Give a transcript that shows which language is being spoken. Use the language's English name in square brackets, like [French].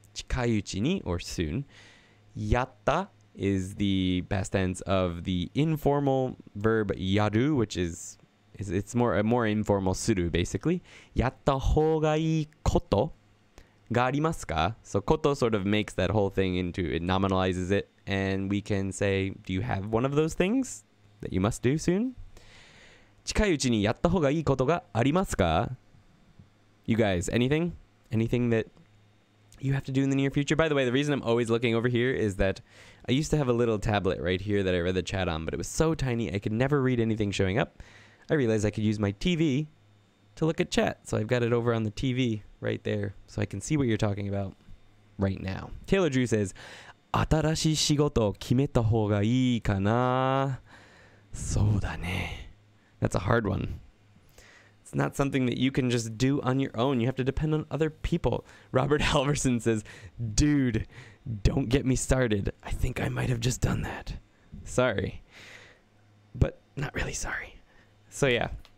[Japanese] 近いうちに [English] or soon. やった is the past tense of the informal verb やる, which is it's more a more informal する basically. [Japanese] やった方がいいこと.がありますか? [English] So koto sort of makes that whole thing into, it nominalizes it, and we can say, do you have one of those things that you must do soon? [Japanese] 近いうちにやった方がいいことがありますか? [English] You guys, anything? Anything that you have to do in the near future? By the way, the reason I'm always looking over here is that I used to have a little tablet right here that I read the chat on, but it was so tiny I could never read anything showing up. I realized I could use my TV to look at chat, so I've got it over on the TV right there, so I can see what you're talking about right now. Taylor Drew says, [Japanese] 新しい仕事を決めた方がいいかな? そうだね. [English] That's a hard one. It's not something that you can just do on your own. You have to depend on other people. Robert Halverson says, dude, don't get me started. I think I might have just done that. Sorry. But not really sorry. So yeah.